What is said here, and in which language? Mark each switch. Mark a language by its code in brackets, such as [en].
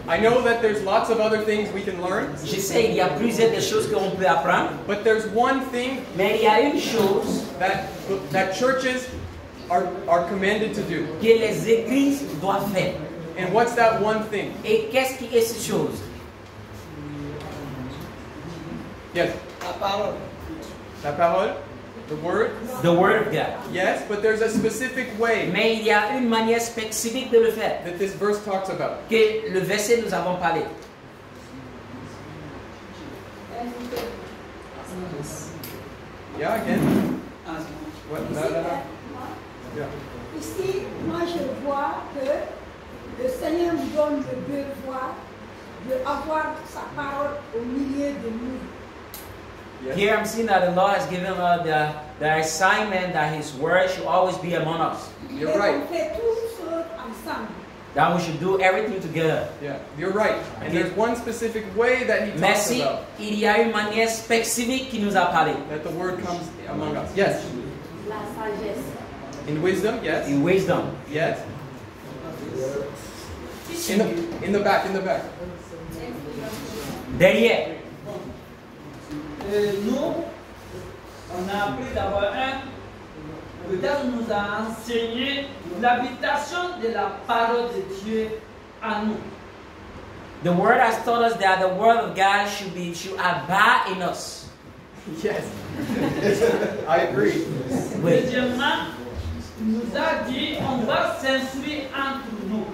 [en] I know that there's lots of other things we can learn. [fr] Je sais qu'il y a plusieurs choses qu'on peut apprendre. [en] But there's one thing. [fr] Mais il y a une chose [en] that churches are commanded to do. [fr] Que les églises doivent faire. [en] And what's that one thing? [fr] Et qu'est-ce qui est cette chose? [en] Yes. [fr] La parole. La parole. [en] The word? The word of God. Yes, but there's a specific way. Mais il y a une manière spécifique de le faire. That this verse talks about. Que le verset nous avons parlé. Yeah, again. What? Yeah. [fr] Ici, moi je vois que le Seigneur me donne le devoir de avoir sa parole au milieu de nous. [en] Yes. Here I'm seeing that Allah has given us the assignment that His word should always be among us. You're right. That we should do everything together. Yeah, you're right. And okay. There's one specific way that He talks about. [fr] Il y a une manière spécifique qui nous a parlé. [en] That the word comes among us. Yes. [fr] La sagesse. [en] In wisdom, yes. In wisdom, yes. In the back. [fr] Derrière. Nous, on a appris d'avoir un, peut-être nous a enseigné l'habitation de la parole de Dieu à nous. [en] The word has taught us that the word of God should abide in us. Yes, I agree. [fr] Deuxièmement, nous a dit on va s'instruire entre nous.